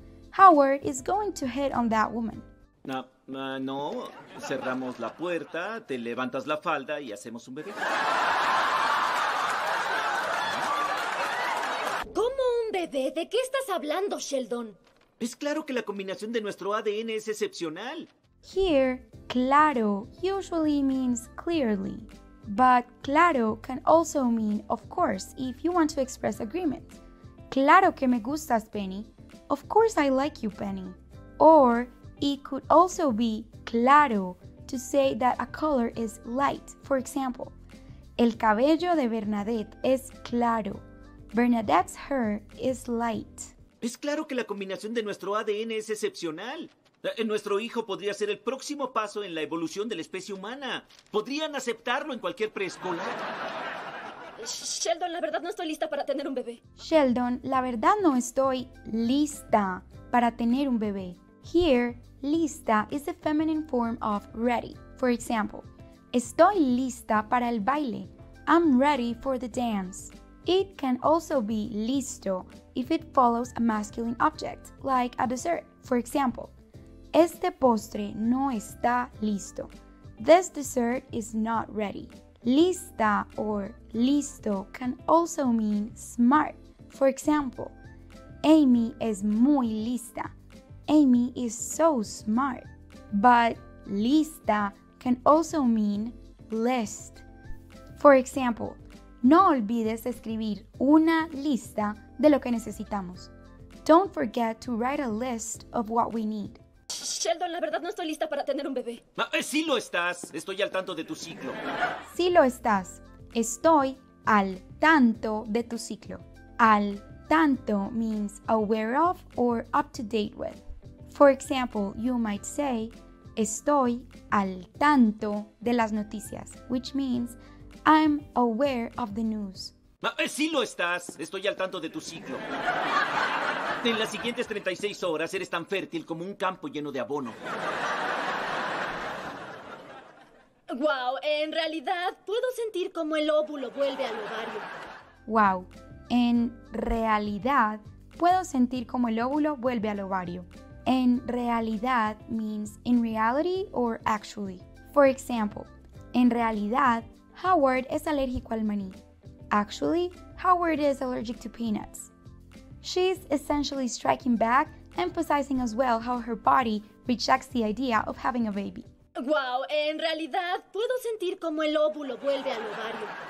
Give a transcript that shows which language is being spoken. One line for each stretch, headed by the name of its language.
English: Howard is going to hit on that woman.
Spanish: No, cerramos la puerta, te levantas la falda y hacemos un bebé. ¿Cómo un bebé? ¿De qué estás hablando, Sheldon? Es claro que la combinación de nuestro ADN es excepcional.
English: Here, claro usually means clearly. But claro can also mean of course if you want to express agreement.
Spanish: Claro que me gustas, Penny.
English: Of course I like you, Penny. Or it could also be claro to say that a color is light. For example,
Spanish: el cabello de Bernadette es claro.
English: Bernadette's hair is light.
Spanish: Es claro que la combinación de nuestro ADN es excepcional. Nuestro hijo podría ser el próximo paso en la evolución de la especie humana. Podrían aceptarlo en cualquier preescolar. Sheldon, la verdad no estoy lista para tener un bebé. Sheldon, la verdad no estoy lista para tener un bebé.
English: Here, lista is the feminine form of ready. For example,
Spanish: estoy lista para el baile.
English: I'm ready for the dance. It can also be listo if it follows a masculine object, like a dessert. For example,
Spanish: este postre no está listo.
English: This dessert is not ready. Lista or listo can also mean smart. For example,
Spanish: Amy es muy lista.
English: Amy is so smart. But lista can also mean list. For example,
Spanish: no olvides escribir una lista de lo que necesitamos.
English: Don't forget to write a list of what we need.
Spanish: Sheldon, la verdad no estoy lista para tener un bebé. Sí lo estás. Estoy al tanto de tu ciclo. Sí lo estás. Estoy al tanto de tu ciclo.
English: Al tanto means aware of or up to date with. For example, you might say,
Spanish: estoy al tanto de las noticias,
English: which means, I'm aware of the news.
Spanish: Sí lo estás. Estoy al tanto de tu ciclo. En las siguientes 36 horas eres tan fértil como un campo lleno de abono. ¡Wow! En realidad, puedo sentir cómo el óvulo vuelve al ovario. ¡Wow! En realidad, puedo sentir cómo el óvulo vuelve al ovario.
English: En realidad means in reality or actually. For example,
Spanish: en realidad, Howard es alérgico al maní.
English: Actually, Howard is allergic to peanuts. She's essentially striking back, emphasizing as well how her body rejects the idea of having a baby.
Spanish: Wow, en realidad puedo sentir cómo el óvulo vuelve al ovario.